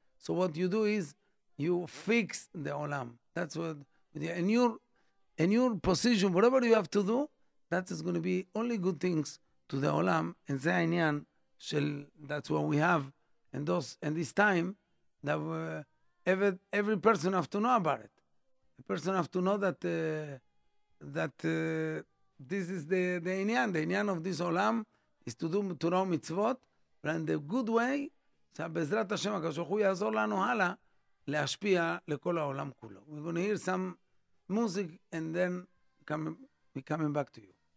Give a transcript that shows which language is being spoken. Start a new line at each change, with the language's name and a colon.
English: So what you do is you fix the olam. That's what, in your position, whatever you have to do, that is going to be only good things to the olam. And
Hebrew: zeh inyan shel,
English: that's what we have. And this time, that every person have to know about it. A person have to know that this is the inyan. The inyan of this olam is to do Torah mitzvot, and the good way,
Hebrew: שבעזרת השם הקדוש ברוך הוא יעזור לנו הלאה להשפיע לכל העולם כולו.
English: We're going to hear some music and then we're coming back to you.